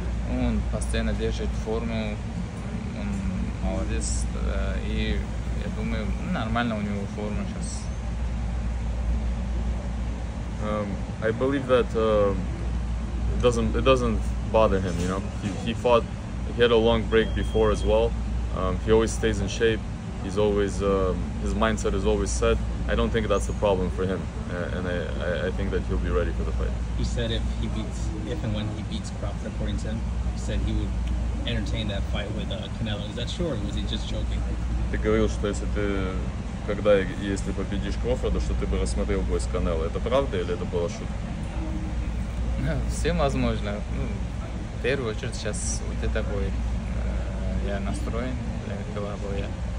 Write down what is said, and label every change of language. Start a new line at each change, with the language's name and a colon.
Russian: Он постоянно держит форму. Он молодец. И я думаю, нормально у него форма сейчас.
English: I believe that it doesn't bother him, you know. He fought, he had a long break before as well. He always stays in shape. He's always, his mindset is always set. I don't think that's a problem for him. And I think that he'll be ready for the fight. You said if and when he beats Crawford, according to him, you said he would entertain that fight with Canelo. Is that true, or was he just joking?
Russian: Ты говорил, что если ты, когда и если победишь Крофорда, что ты бы рассмотрел бой с Канело. Это правда или это была шутка? Всем возможно. Ну, в первую очередь сейчас вот это бой. Я настроен для этого боя.